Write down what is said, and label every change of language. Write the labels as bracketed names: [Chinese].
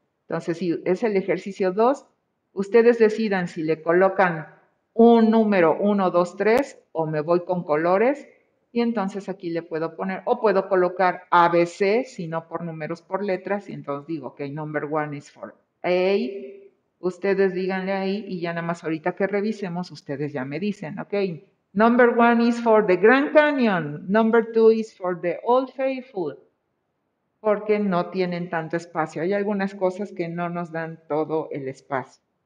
[Spanish] Entonces, si es el ejercicio 2, ustedes decidan si le colocan un número 1, 2, 3 o me voy con colores y entonces aquí le puedo poner, o puedo colocar ABC, si no por números, por letras, y entonces digo, ok, [English] number 1 is for A. [Spanish] Ustedes díganle ahí y ya nada más ahorita que revisemos, ustedes ya me dicen, ok. [English] Number 1 is for the Grand Canyon. Number 2 is for the Old Faithful. [Spanish] Porque no tienen tanto espacio. Hay algunas cosas que no nos dan todo el espacio.